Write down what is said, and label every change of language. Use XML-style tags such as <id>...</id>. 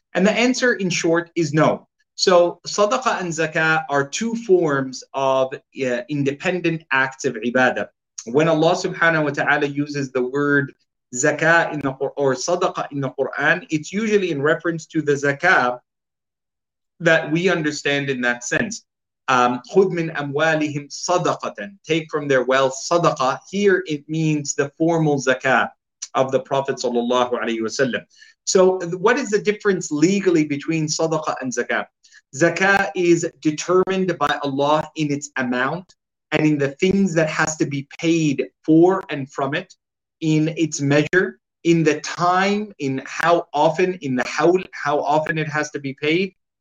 <en>And the answer in short is no. So sadaqah and zakah are two forms of independent acts of ibadah. When Allah subhanahu wa ta'ala uses the word zakah in the or sadaqah in the Quran, it's usually in reference to the zakah that we understand in that sense.</en> <ar>خُذْ مِنْ أَمْوَالِهِمْ صَدَقَةً,</ar> <en>take from their wealth</en> <ar>صَدَقَةً.</ar> <en>Here it means the formal zakah of the Prophet sallallahu alayhi wa sallam. So what is the difference legally between صَدَقَةً and zakah? Zakah is determined by Allah in its amount and in the things that has to be paid for and from it, in its measure, in the time, in how often, in the hawl, how often it has to be paid.</en>